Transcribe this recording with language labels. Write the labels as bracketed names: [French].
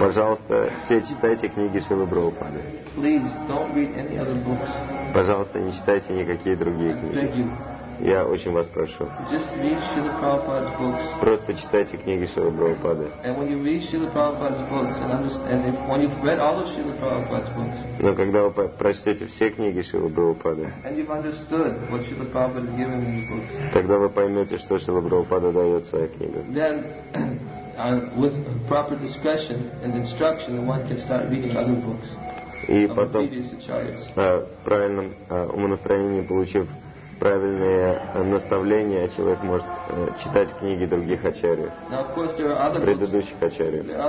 [Russian] Пожалуйста, все читайте книги Шрилы Прабхупады. [English] Please don't read any other books. [Russian] Пожалуйста, не читайте никакие другие книги. [English] Thank you. [Russian] Я очень вас прошу. [English] Just read Srila Prabhupada's books. [Russian] Просто читайте книги Шрилы Прабхупады. [English] And when you read Srila Prabhupada's books, and when you've read all of Srila Prabhupada's books. [Russian] Но когда вы прочтете все книги Шрилы Прабхупады. [English] And you've understood what Srila Prabhupada has given in the books. [Russian] Тогда вы поймете, что Шрила Прабхупада дает в своих книгах. [English] Then, with proper discussion and instruction, one can start reading other books. [Russian] И потом, правильном умонастроении получив правильные наставления, человек может читать книги других ачарьев, предыдущих ачарьев.